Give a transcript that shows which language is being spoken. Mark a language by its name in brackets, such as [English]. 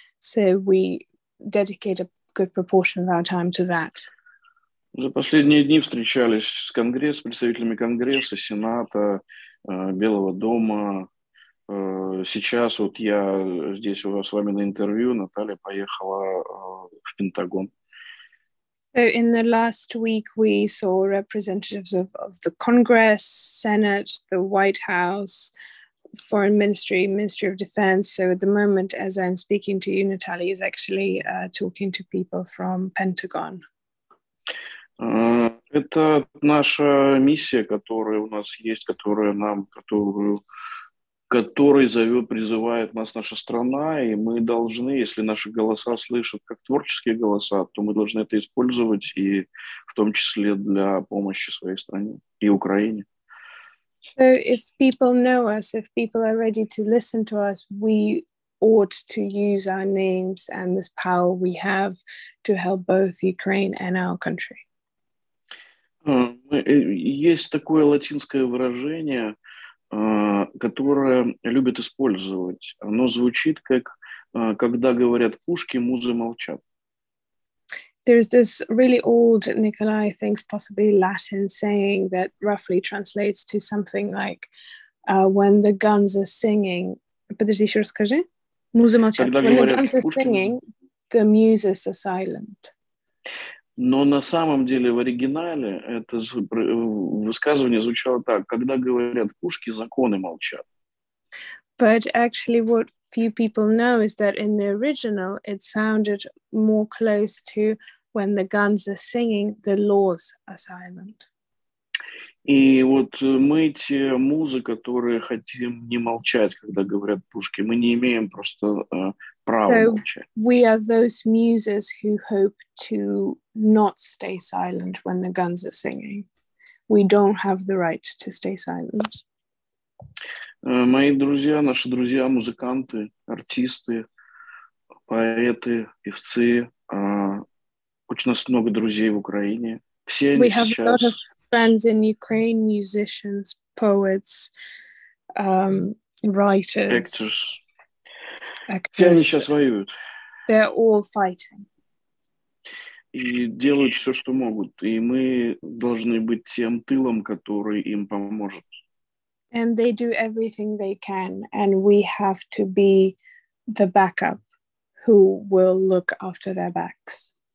[English] So we dedicate a good proportion of our time to that. [Russian] За последние дни встречались с Конгрессом, представителями Конгресса, Сената, Белого дома. Сейчас вот я здесь у вас с вами на интервью, Наталья поехала в Пентагон. [English] So in the last week we saw representatives of the Congress, Senate, the White House, Foreign Ministry, Ministry of Defense. So at the moment, as I'm speaking to you, Natalia is actually talking to people from Pentagon. [Russian] Это наша миссия, которая у нас есть, которая нам, призывает нас наша страна, и мы должны, если наши голоса слышат как творческие голоса, то мы должны это использовать, и в том числе для помощи своей стране и Украине. [English] So if people know us, if people are ready to listen to us, we ought to use our names and this power we have to help both Ukraine and our country. [Russian] Есть такое латинское выражение, которое любят использовать. Оно звучит как «когда говорят пушки, музы молчат». [English] There is this really old, Nicolai thinks, possibly Latin saying that roughly translates to something like «when the guns are singing». [Russian] Подожди, еще расскажи. Музы молчат. [English] When the dancers are singing, the muses are silent. [Russian] Но на самом деле в оригинале это высказывание звучало так: когда говорят пушки, законы молчат. [English] But actually, what few people know is that in the original, it sounded more close to when the guns are singing, the laws are silent. [Russian] И вот мы те музы, которые хотим не молчать, когда говорят пушки, мы не имеем просто права молчать. [English] We are those muses who hope to not stay silent when the guns are singing. We don't have the right to stay silent. [Russian] Мои друзья, наши друзья, музыканты, артисты, поэты, певцы, очень у нас много друзей в Украине. Все [English] we have a lot of friends in Ukraine, musicians, poets, writers, actors. [Russian] Все они сейчас воюют. [English] They're all fighting. [Russian] И делают все, что могут. И мы должны быть тем тылом, который им поможет. [English] And they do everything they can, and we have to be the backup who will look after their backs.